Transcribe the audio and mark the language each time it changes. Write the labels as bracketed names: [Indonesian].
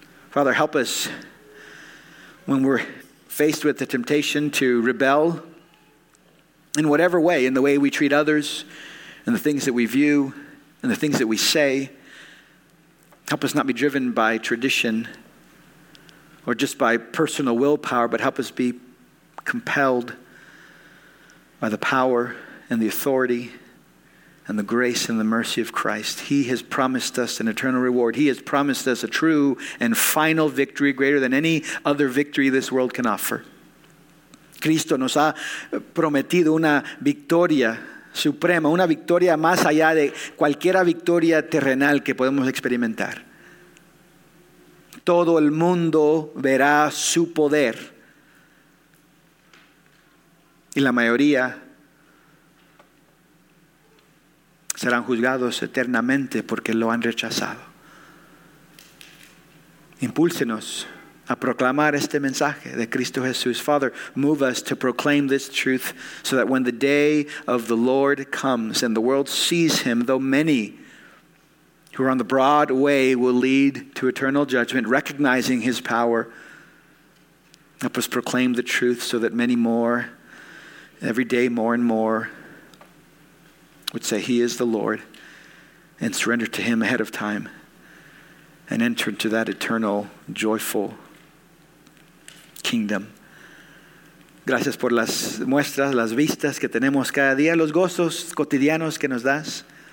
[English] Father, help us when we're faced with the temptation to rebel in whatever way, in the way we treat others, in the things that we view, in the things that we say. Help us not be driven by tradition or just by personal willpower, but help us be compelled by the power and the authority and the grace and the mercy of Christ. He has promised us an eternal reward. He has promised us a true and final victory greater than any other victory this world can offer. [Spanish] Cristo nos ha prometido una victoria suprema, una victoria más allá de cualquiera victoria terrenal que podemos experimentar. Todo el mundo verá su poder. Y la mayoría serán juzgados eternamente porque lo han rechazado. Impúlsenos a proclamar este mensaje de Cristo Jesús. [English] Father, move us to proclaim this truth so that when the day of the Lord comes and the world sees Him, though many who are on the broad way will lead to eternal judgment, recognizing His power. Help us proclaim the truth so that many more, every day more and more, would say He is the Lord and surrender to Him ahead of time and enter into that eternal, joyful kingdom. [Spanish] Gracias por las muestras, las vistas que tenemos cada día, los gozos cotidianos que nos das.